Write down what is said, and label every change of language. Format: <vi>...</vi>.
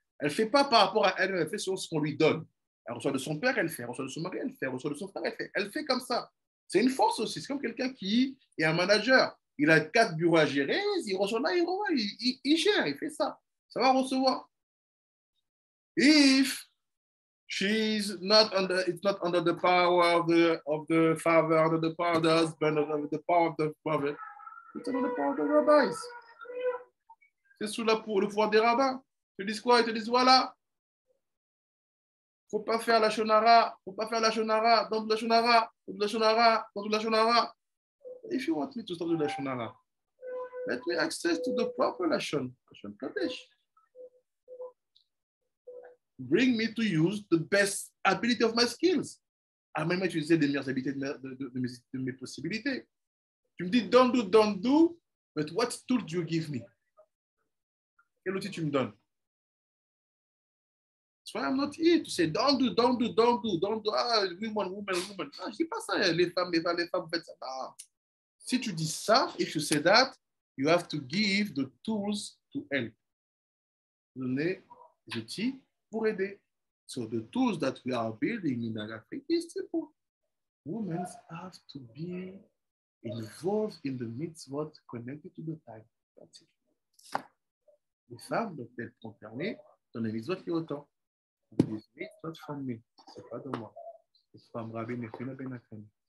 <fr>Elle ne fait pas par rapport à elle, elle fait sur ce qu'on lui donne. Elle reçoit de son père, elle fait. Elle reçoit de son mari, elle fait. Elle reçoit de son frère, elle fait. Elle fait comme ça. C'est une force aussi. C'est comme quelqu'un qui est un manager. Il a 4 bureaux à gérer, il reçoit là, il gère, il fait ça. Ça va recevoir.</fr> <en>If she's not under, it's not under the power of the father, under the power of the husband, under the power of the prophet.</en> <fr>C'est sous la parole des rabbins. C'est sous le pouvoir des rabbins. Ils te disent quoi? Ils te disent voilà. Il ne faut pas faire la shonara. Il ne faut pas faire la shonara. Dans la shonara. Dans la shonara. Dans la shonara.</fr> <en>If you want me to start with la shonara, let me access to the proper lashon. Lashon Kadesh. Bring me to use the best ability of my skills. I may</en> <fr>utiliser les meilleures habiletés de mes possibilités. Tu me dis,</fr> <en>don't do, but what tool do you give me?</en> <fr>Quel outil tu me donnes?</fr> <en>That's why I'm not here to say, don't do. Ah, woman.</en> <fr>Non, je ne dis pas ça, les femmes, faites ça. Non. Si tu dis ça,</fr> <en>if you say that, you have to give the tools to help.</en> <fr>Donner les outils pour aider.</fr> <en>So the tools that we are building in Africa is simple. Women have to be involved in the mitzvot connected to the time. That's it.</en> <fr>Les femmes doivent être concernées dans les mitzvot qui ont autant. Les mitzvot sont mis, c'est pas de moi. Les femmes rabbines et femmes benakhen.</fr>